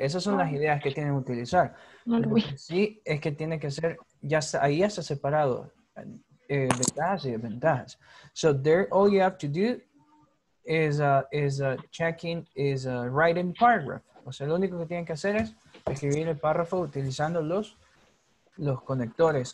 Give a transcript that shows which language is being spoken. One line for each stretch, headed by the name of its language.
Spanish: Esas son las ideas que tienen que utilizar. Sí, es que tiene que ser, ya está, ahí ya está separado. Ventajas y desventajas.
English: So there, all you have to do is writing paragraph.
Spanish: O sea, lo único que tienen que hacer es escribir el párrafo utilizando los conectores.